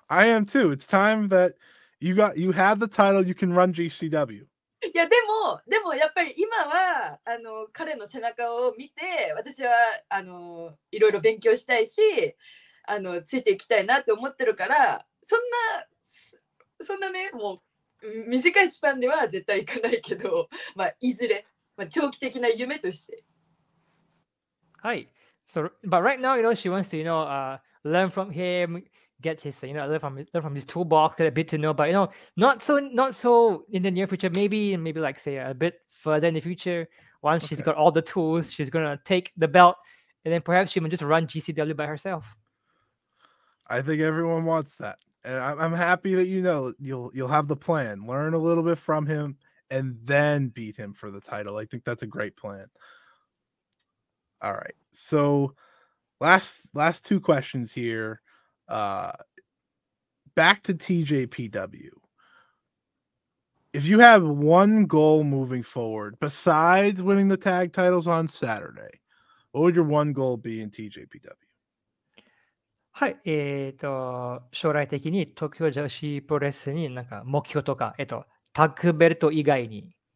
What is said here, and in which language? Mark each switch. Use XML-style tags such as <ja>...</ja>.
<en>It's time that you have the title, you can run GCW.</en> <ja>Yeah, でもやっぱり今はあの彼の背中を見て私はあのいろいろ勉強したいしあのついていきたいなって思ってるからそんなねもう短いスパンでは絶対行かないけどまあいずれまあ長期的な夢として。</ja> <en>Hi. So, but right now, you know, she wants to, you know, learn from him, get his, you know, learn from his toolbox, get a bit to know. But you know, not so in the near future. Maybe like say a bit further in the future. Once okay. She's got all the tools, she's gonna take the belt, and then perhaps she can just run GCW by herself. I think everyone wants that, and I'm happy that you know you'll have the plan. Learn a little bit from him, and then beat him for the title. I think that's a great plan. All right, so last two questions here. Back to TJPW. If you have one goal moving forward, besides winning the tag titles on Saturday, what would your one goal be in TJPW?</en> <ja>はい、将来的に東京女子プロレスになんか目標とか、タッグベルト以外に。</ja>